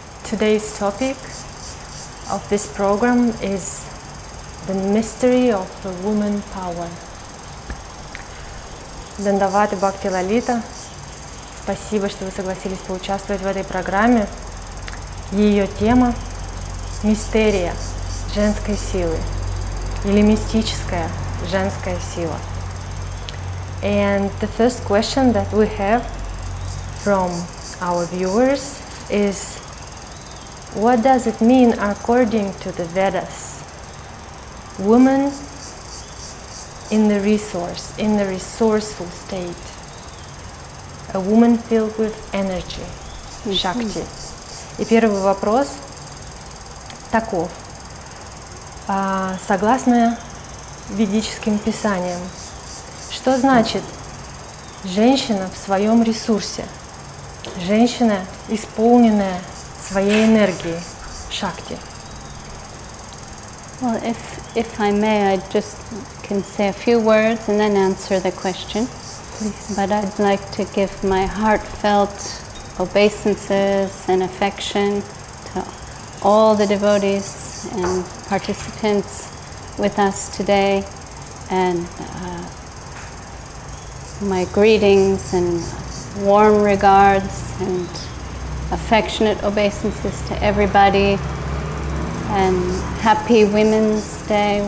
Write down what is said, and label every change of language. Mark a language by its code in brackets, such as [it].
[en] Today's topic of this program is the mystery of the woman power. [ru] Дандавати Бхакти Лалита, спасибо, что вы согласились поучаствовать в этой программе. Ее тема – мистерия женской силы или мистическая женская сила. [en] And the first question that we have from our viewers is, what does it mean according to the Vedas? Woman in the resourceful state, a woman filled with energy, shakti. [ru] И первый вопрос таков. Согласно ведическим писаниям, что значит женщина в своем ресурсе? Женщина, исполненная своей энергией, шакти. [en] Well, if I may, I just can say a few words and then answer the question. Please. But I'd like to give my heartfelt obeisances and affection to all the devotees and participants with us today, and my greetings and warm regards and affectionate obeisances to everybody, and happy Women's Day.